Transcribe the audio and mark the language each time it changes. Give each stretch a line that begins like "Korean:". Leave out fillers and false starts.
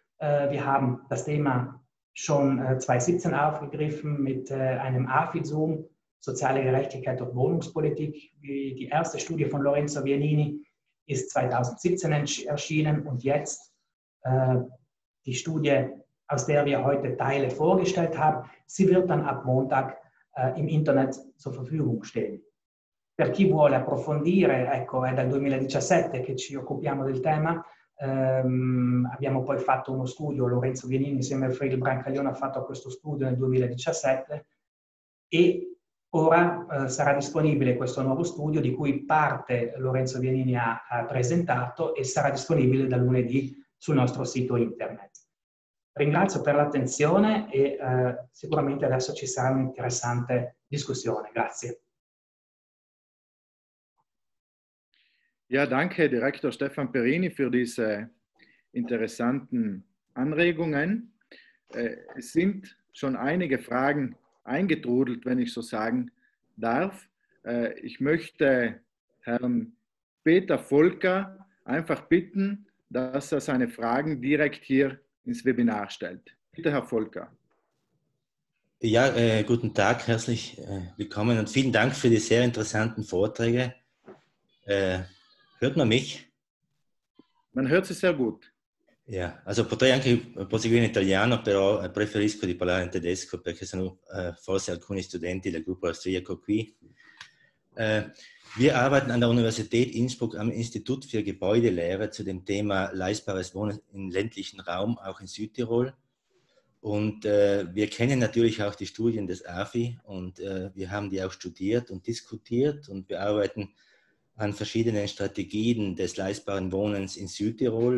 German: Wir haben das Thema schon 2017 aufgegriffen mit einem AFI-Zoom, soziale Gerechtigkeit und Wohnungspolitik. Die erste Studie von Lorenzo Vianini ist 2017 erschienen und jetzt die Studie, aus der wir heute Teile vorgestellt haben, sie wird dann ab Montag im Internet zur Verfügung stehen.
Italian: Per chi vuole approfondire, ecco, è dal 2017 che ci occupiamo del tema. Abbiamo poi fatto uno studio, Lorenzo Vianini insieme a Fred Brancaglione ha fatto questo studio nel 2017 e ora sarà disponibile questo nuovo studio di cui parte Lorenzo Vianini ha presentato e sarà disponibile da lunedì sul nostro sito internet. Ringrazio per l'attenzione e sicuramente adesso ci sarà un'interessante discussione. Grazie.
German: Ja, danke Direktor Stefan Perini für diese interessanten Anregungen. Es sind schon einige Fragen eingetrudelt, wenn ich so sagen darf. Ich möchte Herrn Peter Volker einfach bitten, dass er seine Fragen direkt hier ins Webinar stellt. Bitte, Herr Volker. Ja, guten Tag, herzlich willkommen und vielen Dank für die sehr interessanten Vorträge. Hört man mich? Man hört sich sehr gut. Ja, also
Italian: potrei anche proseguire in italiano, però preferisco di parlare in tedesco perché sono forse alcuni studenti del gruppo austriaco qui.
German: Wir arbeiten an der Universität Innsbruck am Institut für Gebäudelehre zu dem Thema leistbares Wohnen im ländlichen Raum, auch in Südtirol. Und wir kennen natürlich auch die Studien des AFI und wir haben die auch studiert und diskutiert und wir arbeiten an verschiedenen Strategien des leistbaren Wohnens in Südtirol.